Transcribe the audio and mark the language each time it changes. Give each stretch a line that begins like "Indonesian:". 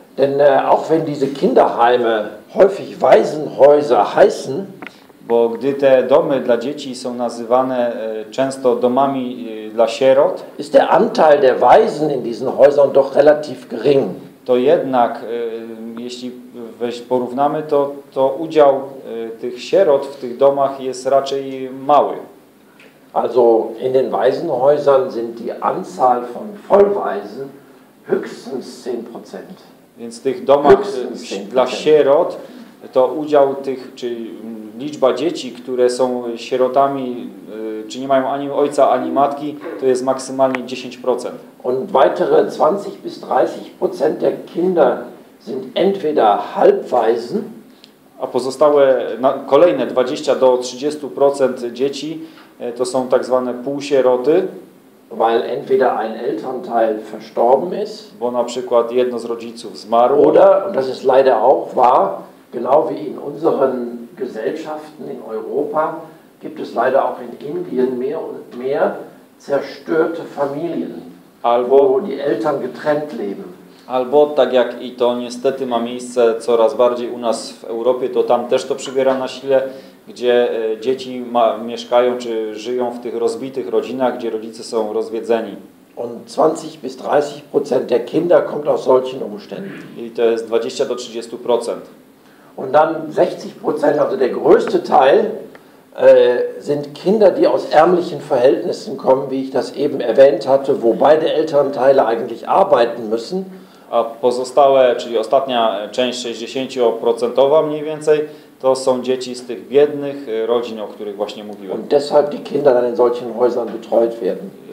German: Denn auch wenn diese Kinderheime häufig Waisenhäuser heißen,
Polish: bo gdy te domy dla dzieci są nazywane często domami dla sierot,
German: ist der Anteil der Waisen in diesen Häusern doch relativ gering.
Polish: To jednak, jeśli porównamy, to udział tych sierot w tych domach jest raczej mały.
German: Also in den Waisenhäusern sind die Anzahl von Vollwaisen höchstens 10%.
Polish: Więc w tych domach dla sierot to udział tych, czy liczba dzieci, które są sierotami, czy nie mają ani ojca, ani matki, to jest maksymalnie 10%.
German: Und weitere 20 bis 30% der Kinder sind entweder Halbwaisen,
Polish: a pozostałe na kolejne 20 do 30% dzieci to są tak zwane półsieroty,
German: weil entweder ein Elternteil verstorben ist,
Polish: bo na przykład jedno z rodziców zmarło,
German: oder, und das ist leider auch wahr, genau wie in unseren Gesellschaften in Europa gibt es leider auch in Indien mehr und mehr zerstörte Familien,
Polish: albo,
German: wo die Eltern getrennt leben.
Polish: Albo tak jak i to niestety ma miejsce coraz bardziej u nas w Europie, to tam też to przybiera na sile, gdzie dzieci mieszkają czy żyją w tych rozbitych rodzinach, gdzie rodzice są rozwiedzeni.
German: Und 20-30% der Kinder kommt aus solchen Umständen.
Polish: I to jest 20-30%.
German: Und dann 60%, also der größte Teil, sind Kinder, die aus ärmlichen Verhältnissen kommen, wie ich das eben erwähnt hatte, wo beide Elternteile eigentlich arbeiten müssen.
Polish: A pozostałe, czyli ostatnia część 60% mniej więcej, to są dzieci z tych biednych rodzin, o których właśnie mówiłem.
German: Und deshalb die Kinder dann in solchen Häusern betreut werden.